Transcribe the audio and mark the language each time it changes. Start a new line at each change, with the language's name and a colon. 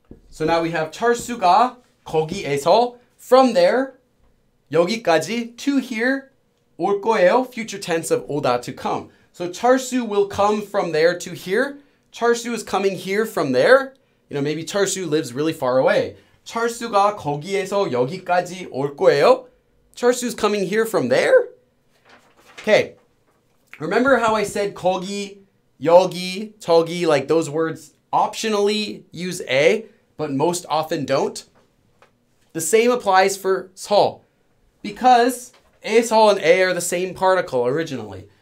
English: So now we have 차수가 거기에서, from there, 여기까지, to here, 올 거예요, future tense of 오다, to come. So 차수 will come from there to here. 차수 is coming here from there. Maybe 차수 lives really far away.
Korean: 차수가 거기에서 여기까지 올 거예요.
English: 차수 is coming here from there. Okay. Remember how I said 거기, 여기, 저기, like those words optionally use A, but most often don't? The same applies for 서. Because 에서 and A are the same particle originally.